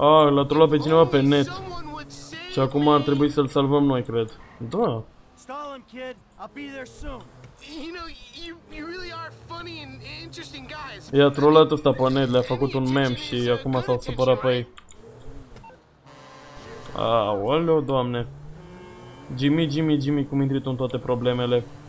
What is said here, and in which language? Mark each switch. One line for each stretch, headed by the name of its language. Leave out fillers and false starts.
Romanian: L-a trolat pe cineva pe net. Și acum ar trebui să-l salvăm noi, cred.
English: Da. Stall-em, kid. I'll be there soon. You know, you really are funny and interesting guys.
Romanian: I-a trolat ăsta pe net, le-a făcut un mem și acum s-au supărat pe ei. Aoleo, doamne. Jimmy, cum intri tu în toate problemele?